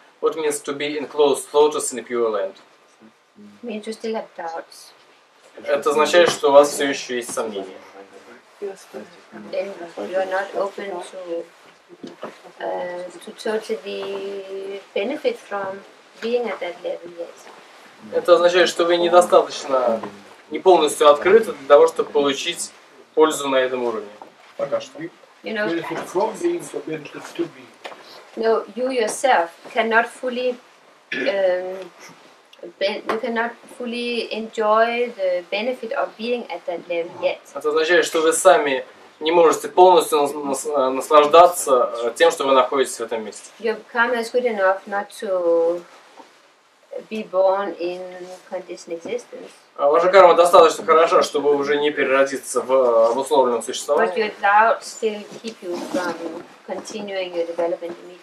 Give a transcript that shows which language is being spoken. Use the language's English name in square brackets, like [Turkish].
[English] What means to be in closed lotus in pure land? Means you still have doubts. [Russian] Это означает, что у вас все еще есть сомнения. [English] Then you are not open to totally benefit from being at that level yet. [Russian] Это означает, что вы недостаточно, не полностью открыты для того, чтобы получить пользу на этом уровне. Пока что. [English] You know, from being forbidden to be. No, you yourself cannot fully you cannot fully enjoy the benefit of being at that level yet. [Russian] Это означает, что вы сами не можете полностью наслаждаться тем, что вы находитесь в этом месте. [English] You've come as good enough not to be born in conditioned existence. [Russian] Ваша карма достаточно хороша, чтобы уже не переродиться в обусловленном существовании.